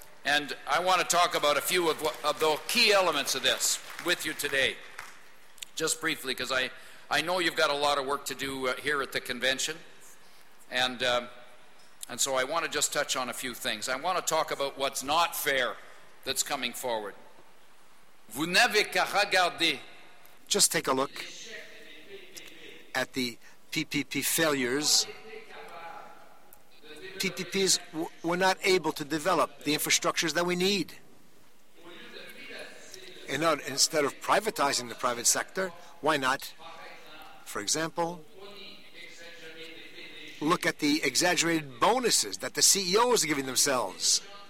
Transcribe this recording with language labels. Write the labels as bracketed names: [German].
[English] And I want to talk about a few of the key elements of this with you today, just briefly, because I know you've got a lot of work to do here at the convention. And so I want to just touch on a few things. I want to talk about what's not fair that's coming forward. [French] Vous n'avez qu'à regarder. [English] Just take a look at the PPP failures. PPPs were not able to develop the infrastructures that we need. Instead of privatizing the private sector, why not, for example, look at the exaggerated bonuses that the CEOs are giving themselves?